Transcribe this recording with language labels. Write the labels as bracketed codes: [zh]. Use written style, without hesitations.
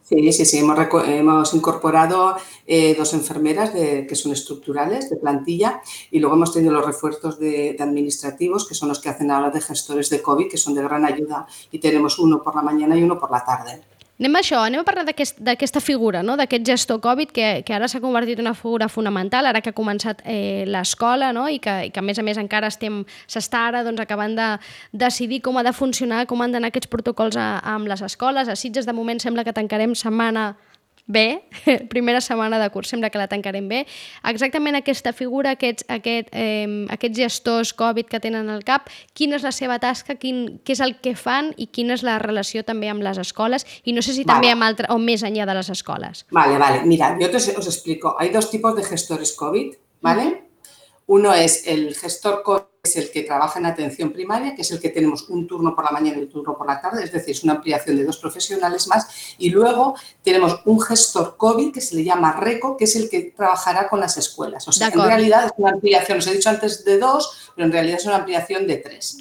[es] Hemos incorporado dos enfermeras que son estructurales, de plantilla, y luego hemos tenido los refuerzos de administrativos, que son los que hacen ahora de gestores de COVID, que son de gran ayuda, y tenemos uno por la mañana y uno por la tarde. [ca] Anem a això, anem a parlar d'aquesta figura, no? D'aquest gestor COVID, que ara s'ha convertit en una figura fonamental, ara que ha començat l'escola, no? I que a més encara s'està ara doncs, acabant de decidir com ha de funcionar, com han d'anar aquests protocols amb les escoles. A Sitges, de moment, sembla que tancarem setmana bé, primera setmana de curs, sembla que la tancarem bé. Exactament aquesta figura, aquests gestors COVID que tenen al CAP, quina és la seva tasca, què és el que fan i quina és la relació també amb les escoles i no sé si també amb altres o més enllà de les escoles. [es] Vale. Mira, [ca] jo us explico. [es] Hay dos tipus de gestores COVID, ¿vale? Uno es el gestor COVID, es el que trabaja en atención primaria, que es el que tenemos un turno por la mañana y un turno por la tarde, es decir, es una ampliación de dos profesionales más. Y luego tenemos un gestor COVID, que se le llama RECO, que es el que trabajará con las escuelas. O sea, en realidad es una ampliación, os he dicho antes de dos, pero en realidad es una ampliación de tres.